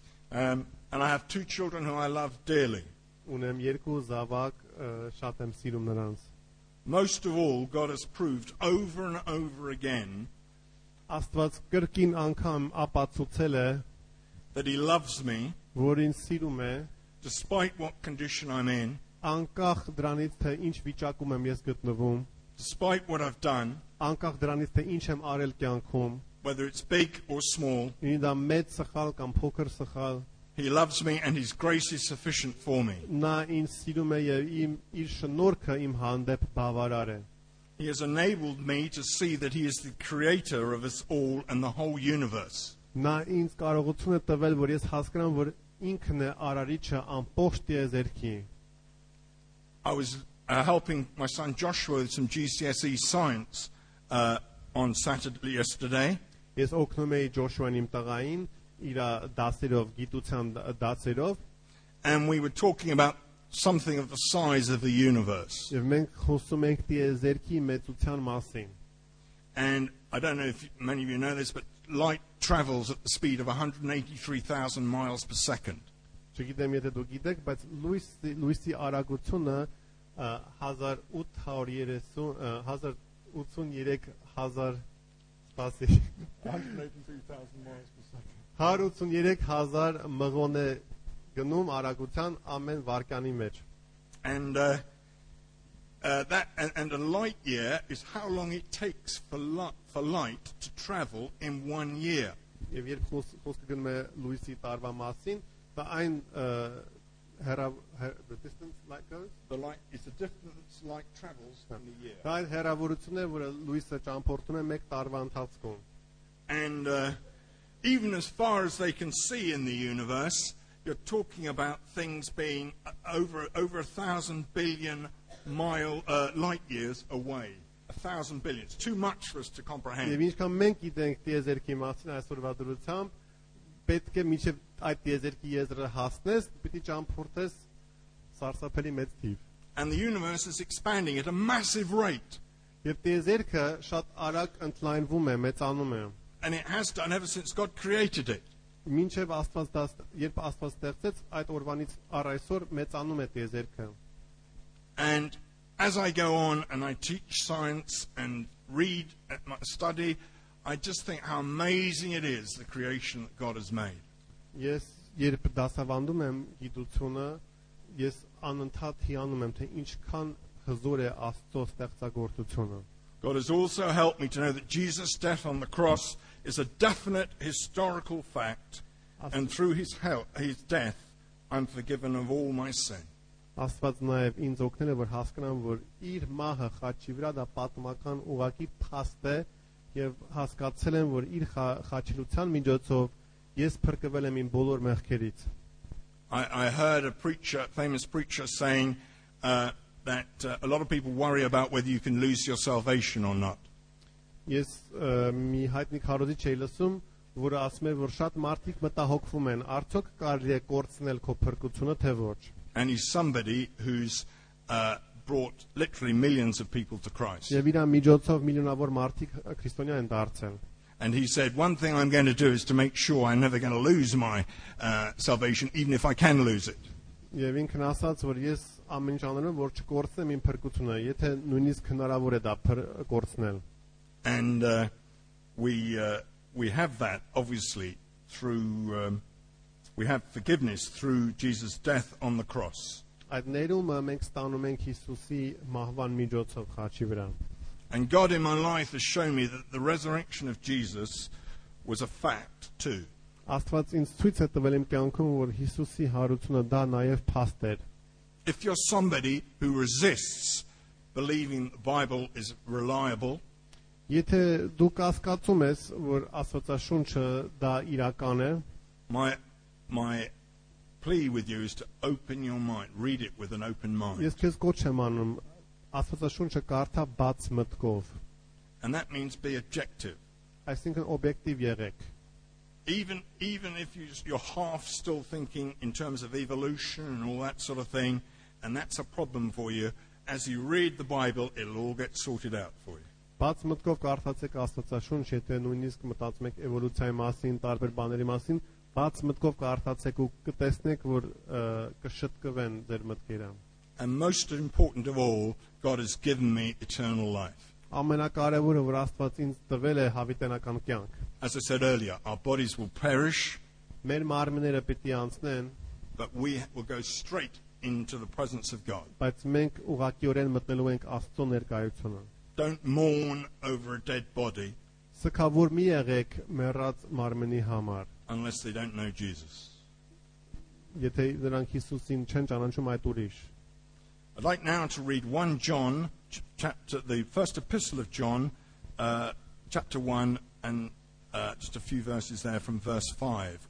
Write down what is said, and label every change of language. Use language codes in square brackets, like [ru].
[en] And I have two children who I love dearly. [hy] Ունեմ երկու զավակ, շատ եմ սիրում նրանց. [en] Most of all, God has proved over and over again [hy] Աստված կրկին անգամ ապացուցել է [en] that He loves me, [hy] որ ինձ սիրում է, [en] despite what condition I'm in, [hy] անկախ դրանից թե ինչ վիճակում եմ ես գտնվում, [en] despite what I've done, [hy] անկախ դրանից թե ինչ եմ արել կյանքում, [en] whether it's big or small, [hy] ինձ դա մեծ սխալ կամ փոքր սխալ. [en] He loves me and His grace is sufficient for me. [hy] Նա ինձ սիրում է եւ իր շնորհքը իմ հանդեպ բավարար է. [en] He has enabled me to see that He is the creator of us all and the whole universe. [hy] Նա ինձ կարողություն է տվել, որ ես հասկանամ, որ ինքն է արարիչը ամբողջ տիեզերքի. [en] I was helping my son Joshua with some GCSE science on Saturday yesterday. [hy] Ես օգնում էի Joshua-ն իմ տղային իրա դասերով, գիտության դասերով, [en] and we were talking about something of the size of the universe. [hy] Եվ մենք խոսում ենք տիեզերքի մեծության մասին. [en] And I don't know if many of you know this, but light travels at the speed of 183,000 miles per second. [hy] Չգիտեմ եթե դուք գիտեք, բայց լույսի արագությունը 183,000 [en] miles per second. [hy] 183,000 մղոն է գնում արագության ամեն վարկյանի մեջ. [en] And that and a light year is how long it takes for light to travel in one year. [hy] Եվ երբ խոսքը գնում է լույսի տարվա մասին, դա այն [en] the distance light goes, the light is the distance light travels in the year. [hy] Դա այն հեռավորությունն է, որը լույսը ճամփորդում է մեկ տարվա ընթացքում. [en] And even as far as they can see in the universe, you're talking about things being over 1,000 billion mile light years away. 1,000 billion. It's too much for us to comprehend. [hy] Եվ ինչքան մենք գիտենք տիեզերքի մասին այսօրվա դրությամբ, պետք է մինչև այդ տիեզերքի եզրը հասնես, պետք է ճամփորդես սարսափելի մեծ թիվ. [en] And the universe is expanding at a massive rate. [hy] Եվ տիեզերքը շատ արագ ընթլայնվում է, մեծանում է. [en] And it has done ever since God created it. [hy] Մինչև Աստված դա, երբ Աստված ստեղծեց, այդ օրվանից առ այսօր մեծանում է տիեզերքը. [en] And as I go on and I teach science and read at my study, I just think how amazing it is, the creation that God has made. [hy] Ես երբ դասավանդում եմ գիտությունը, ես անընդհատ հիանում եմ, թե ինչքան հզոր է Աստծո ստեղծագործությունը. [en] God has also helped me to know that Jesus' death on the cross is a definite historical fact, and through his death, I'm forgiven of all my sin. [hy] Աստված նաև ինձ օգնել է, որ հասկանամ, որ իր մահը խաչի վրա դա պատմական ուղղակի փաստ է, եւ հասկացել եմ, որ իր խաչելության միջոցով ես փրկվել եմ իմ բոլոր մեղքերից. [en] I heard a preacher, famous preacher, saying that a lot of people worry about whether you can lose your salvation or not. [hy] Ես մի հայտնի քարոզիչ էի լսում, որը ասում էր, որ շատ մարդիկ մտահոգվում են, արդյոք կարելի է կորցնել քո փրկությունը թե ոչ. [en] And he's somebody who's brought literally millions of people to Christ. [hy] Եվ իրա միջոցով միլիոնավոր մարդիկ քրիստոնյա են դարձել. [en] And he said, one thing I'm going to do is to make sure I'm never going to lose my salvation, even if I can lose it. [hy] Եվ ինքն ասաց, որ ես ամեն ինչ անելու եմ, որ չկորցնեմ իմ փրկությունը, եթե նույնիսկ հնարավոր է դա կորցնել։ [en] And we have that obviously through We have forgiveness through Jesus' death on the cross. And God in my life has shown me that the resurrection of Jesus was a fact too. If you're somebody who resists believing the Bible is reliable, [hy] եթե դու կասկածում ես, որ Աստվածաշունչը դա իրական է, [en] my plea with you is to open your mind, read it with an open mind. [hy] Ես քեզ կոչեմ անում Աստվածաշունչը կարդա բաց մտքով. [en] And that means be objective. I think an objective երեք. Even if you're half still thinking in terms of evolution and all that sort of thing, and that's a problem for you, as you read the Bible, it'll all get sorted out for you. [hy] Բաց մտքով կարդացեք Աստվածաշունչ, եթե նույնիսկ մտածում եք էվոլյուցիայի մասին, տարբեր բաների մասին, բաց մտքով կարդացեք ու կտեսնեք, որ կշտկվեն ձեր մտքերը. [en] And most important of all, God has given me eternal life. [hy] Ամենակարևորը, որ Աստված ինձ տվել է հավիտենական կյանք. [en] As I said earlier, our bodies will perish. [hy] Մեր մարմինները պիտի անցնեն. [en] But we will go straight into the presence of God. [hy] Բայց մենք ուղղակիորեն մտնելու ենք Աստծո ներկայությունը. [en] Don't mourn over a dead body. [hy] Սկավոր մի եղեք մեռած մարմնի համար. [en] Unless they don't know Jesus. [hy] Եթե նրանք Հիսուսին չեն ճանաչում, այդ ուրիշ. [en] I'd like now to read 1 John chapter, the first epistle of John, chapter 1, and just a few verses there from verse 5.